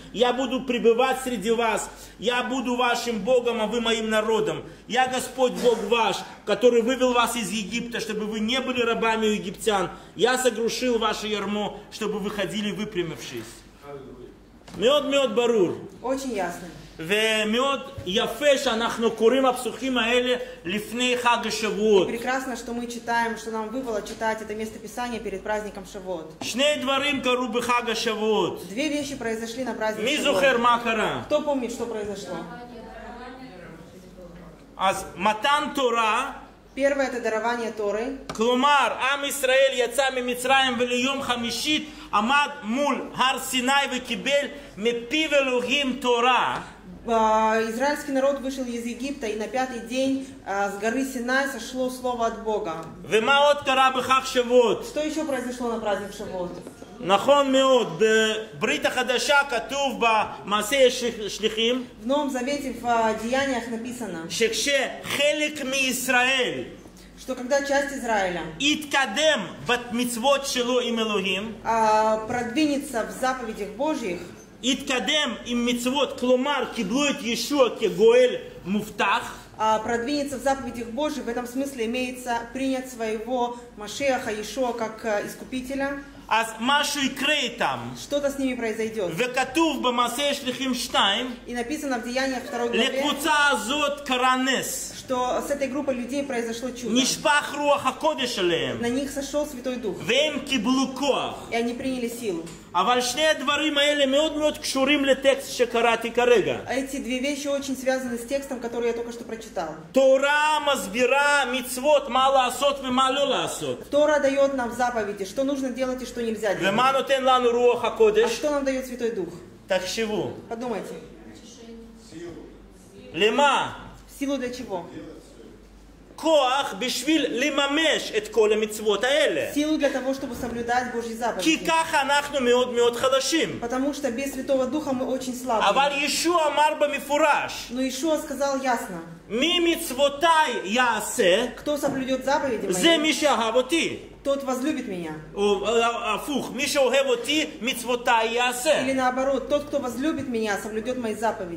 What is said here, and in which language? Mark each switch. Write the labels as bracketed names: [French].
[Russian] Я буду пребывать среди вас. Я буду вашим Богом, а вы моим народом. Я Господь Бог ваш, который вывел вас из Египта, чтобы вы не были рабами у египтян. Я сокрушил ваше ярмо, чтобы вы ходили выпрямившись. [Hebrew] Мед, мед, барур. [Russian] Очень ясно. [Hebrew] ומאוד יפה שאנחנו קוראים הפסוכים האלה לפני חג השבועות. [Russian] Прекрасно, что мы читаем, что нам выпало читать это место писания перед праздником Шавуот. [Hebrew] שני דברים קרו בחג השבועות. [Russian] Две вещи произошли на праздник [Hebrew] Шавуот. מי זוכר מה קרה? [Russian] Кто помнит, что произошло? [Hebrew] אז מתן תורה. [Russian] Первое это дарование Торы. [Hebrew] כלומר, עם ישראל יצא ממצרים וליום חמישית עמד מול הר סיני וקיבל מפיו אלוהים תורה. [Russian] Израильский народ вышел из Египта, и на пятый день с горы Синай сошло слово от Бога. Что еще произошло на праздник Шавуот? [Hebrew] נכון מאוד. בברית החדשה כתוב במעשי השליחים. [Russian] В Новом Завете в Деяниях написано. [Hebrew] שכשחלק מישראל. [Russian] Что когда часть Израиля. [Hebrew] יתקדם במצוות שלו עם אלוהים. [Russian] Продвинется в заповедях Божьих. [Hebrew] יתקדם עם מצוות, כלומר קיבלו את ישוע כגואל מובטח. [Russian] Продвинется в заповедях Божьих, в этом смысле имеется принять своего Машеха Иешуа как искупителя. [Hebrew] אז משהו יקרה [Russian] там. Что-то с ними произойдет. [Hebrew] וכתוב במעשה שליחים 2. [Russian] И написано в Деяниях 2 главе. [Hebrew] לקבוצה הזאת קרה נס. [Russian] Что с этой группой людей произошло чудо. [Hebrew] נשפך רוח הקודש עליהם. [Russian] На них сошел Святой Дух. [Hebrew] והם קיבלו כוח. [Russian] И они приняли силу. [Hebrew] אבל שני הדברים האלה מאוד מאוד קשורים לטקסט שקראתי כרגע. [Russian] Эти две вещи очень связаны с текстом, который я только что прочитал. [Hebrew] תורה מסבירה מצוות מה לעשות ומה לא לעשות. [Russian] Тора дает нам заповеди, что нужно делать и что нельзя делать. [Hebrew] ומה נותן לנו רוח הקודש? [Russian] А что нам дает Святой Дух? [Hebrew] תחשבו. [Russian] Подумайте. [Hebrew] למה? [Russian] Силу для чего? [Hebrew] כוח בשביל לממש את כל המצוות האלה. [Russian] Силу для того, чтобы соблюдать Божьи заповеди. [Hebrew] כי ככה אנחנו מאוד מאוד חלשים. [Russian] Потому что без Святого Духа мы очень слабы. [Hebrew] אבל ישוע אמר במפורש. [Russian] Но Иешуа сказал ясно. [Hebrew] מי מצוותי יעשה? [Russian] Кто соблюдет заповеди мои? [Hebrew] זה מי שאהב אותי. [Russian] Тот возлюбит меня. [Hebrew] Афух, מי שאוהב אותי, מצוותי יעשה. [Russian] Или наоборот, тот, кто возлюбит меня, соблюдет мои заповеди.